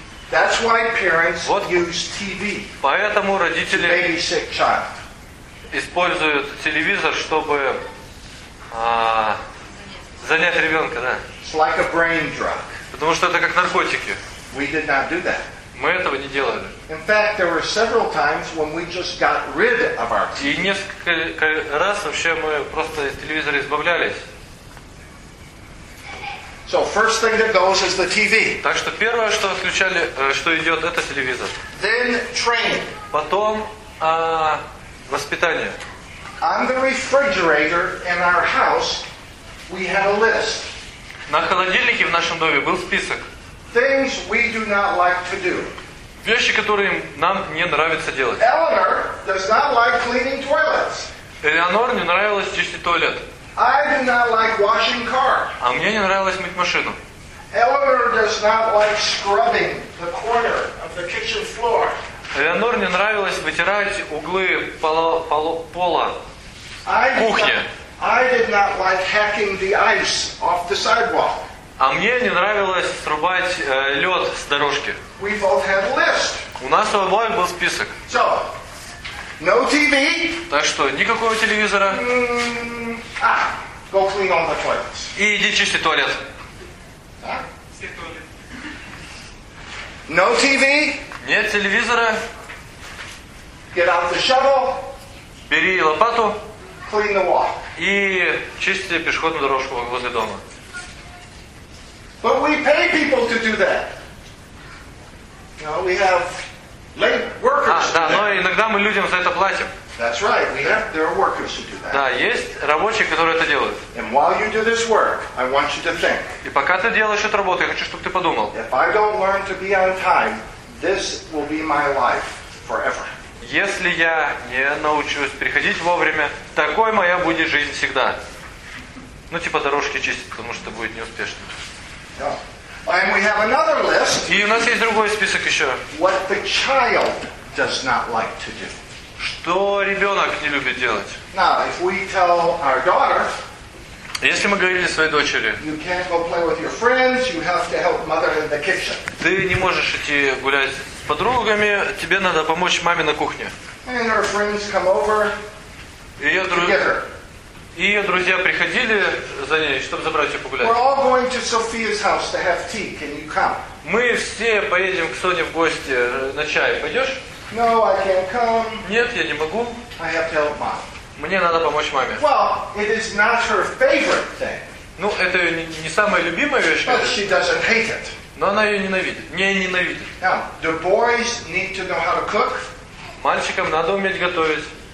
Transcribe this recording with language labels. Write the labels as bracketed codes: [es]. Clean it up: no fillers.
[en] That's why parents вот use TV. [ru] Поэтому родители используют телевизор, чтобы занять ребенка, да? [en] It's like a brain drug. [ru] Потому что это как наркотики. [en] We did not do that. [ru] Мы этого не делали. [en] In fact, there were several times when we just got rid of our TV. [ru] И несколько раз вообще мы просто из телевизора избавлялись. [en] So first thing that goes is the TV. [ru] Так что первое, что включали, что идет, это телевизор. [en] Then training. [ru] Потом воспитание. [en] On the refrigerator in our house we had a list. [ru] На холодильнике в нашем доме был список. [en] Things we do not like to do. [ru] Вещи, которые нам не нравится делать. [en] Eleanor does not like cleaning toilets. [ru] Элеонор не нравилось чистить туалет. [en] I do not like washing cars. [ru] А мне не нравилось мыть машину. [en] Eleanor does not like scrubbing the corner of the kitchen floor. [ru] Элеонор не нравилось вытирать углы пола в кухне. [en] I did not like hacking the ice off the sidewalk. [ru] А мне не нравилось срубать лед с дорожки. [en] We both had a list. [ru] У нас у обоих был список. [en] So, no TV. [ru] Так что, никакого телевизора. [en] Go clean all the toilets. [ru] И иди чисти туалет. [en] No TV. [ru] Нет телевизора. [en] Get out the shovel. [ru] Бери лопату. [en] Clean the walk. [ru] И чисти пешеходную дорожку возле дома. [en] But we pay people to do that. You know, we have late workers. [ru] Да, но иногда мы людям за это платим. [en] That's right. We have there are workers who do that. [ru] Да, есть рабочие, которые это делают. [en] And while you do this work, I want you to think. [ru] И пока ты делаешь эту работу, я хочу, чтобы ты подумал. [en] If I don't learn to be on time, this will be my life forever. [ru] Если я не научусь приходить вовремя, такой моя будет жизнь всегда. Ну, типа дорожки чистить, потому что это будет неуспешно. [en] Yeah. And we have another list. [ru] И у нас есть другой список еще. [en] What the child does not like to do. [ru] Что ребенок не любит делать? [en] Now, if we tell our daughter, [ru] если мы говорили своей дочери, [en] you can't go play with your friends, you have to help mother in the kitchen. [ru] Ты не можешь идти гулять с подругами, тебе надо помочь маме на кухне. [en] And her friends come over. Together. [ru] И ее друзья приходили за ней, чтобы забрать ее погулять. [en] We're all going to Sophia's house to have tea. Can you come? [ru] Мы все поедем к Соне в гости на чай. Пойдешь? [en] No, I can't come. [ru] Нет, я не могу. [en] I have to help mom. [ru] Мне надо помочь маме. [en] Well, it is not her favorite thing. [ru] Ну, это не самая любимая вещь. [en] But she doesn't hate it. [ru] Но она ее ненавидит. Не ненавидит. [en] Now, the boys need to know how to cook. [ru] Мальчикам надо уметь готовить.